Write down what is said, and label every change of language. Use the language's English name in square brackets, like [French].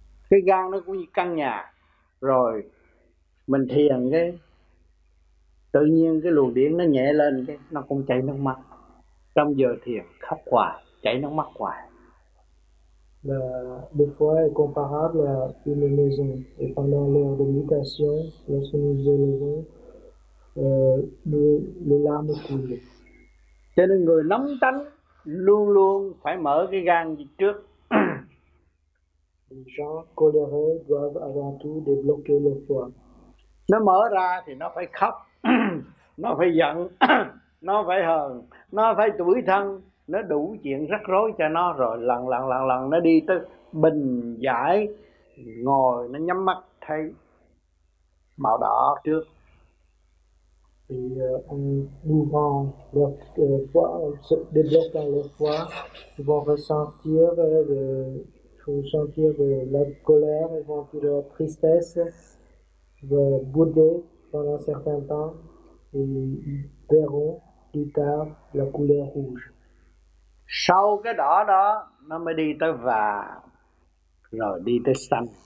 [Vietnamese] Cái gan nó cũng như căn nhà, rồi mình thiền cái, tự nhiên cái luồng điện nó nhẹ lên cái, nó cũng chảy nước mắt. Trong giờ thiền khóc hoài, chảy nước mắt hoài. [French] Le foie est comparable à une maison. Et pendant l'heure de méditation, lorsque nous élevons, les larmes coulent. [Vietnamese] Cho nên người nóng tánh luôn luôn phải mở cái gan trước. [French] Les gens coléreux doivent avant tout débloquer le foie. [Vietnamese] Nó mở ra thì nó phải khóc, nó phải giận, nó phải hờn, nó phải tủi thân. Nó đủ chuyện rắc rối cho nó rồi, lần lần lần lần nó đi tới bình giải, ngồi nó nhắm mắt thấy màu đỏ trước. [French] Thì en ouvrant leur foie, se débloquant leur foie, ils vont ressentir de la colère, ils vont de la tristesse, de bouder pendant un certain temps, et ils verront plus tard la couleur rouge. [Vietnamese] Sau cái đỏ đó nó mới đi tới vàng, rồi đi tới xanh.